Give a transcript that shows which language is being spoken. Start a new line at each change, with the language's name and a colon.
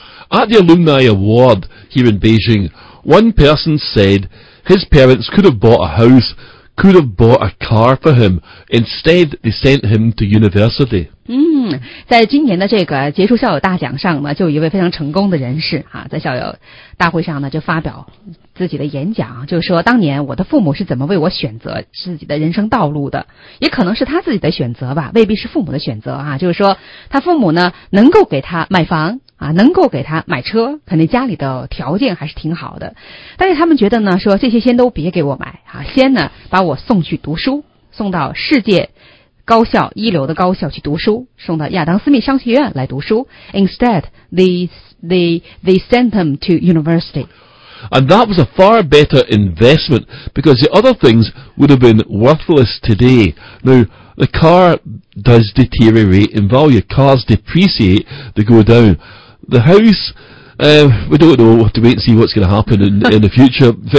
English: At the Alumni Award here in Beijing, one person said his parents could have bought a house, could have bought a car for him. Instead, they sent him to university.
Chinese: 嗯，在今年的这个杰出校友大奖上呢，就有一位非常成功的人士啊，在校友大会上呢就发表自己的演讲，就说当年我的父母是怎么为我选择自己的人生道路的，也可能是他自己的选择吧，未必是父母的选择啊。就是说他父母呢能够给他买房啊，能够给他买车，肯定家里的条件还是挺好的，但是他们觉得呢说这些先都别给我买啊，先呢把我送去读书，送到世界高校，一流的高校去读书，送到亚当斯密商学院来读书。
English: Instead, they sent them to university. And that was a far better investment because the other things would have been worthless today. Now, the car does deteriorate in value. Cars depreciate, they go down. The house, We don't know. We'll have to wait and see what's going to happen in the future.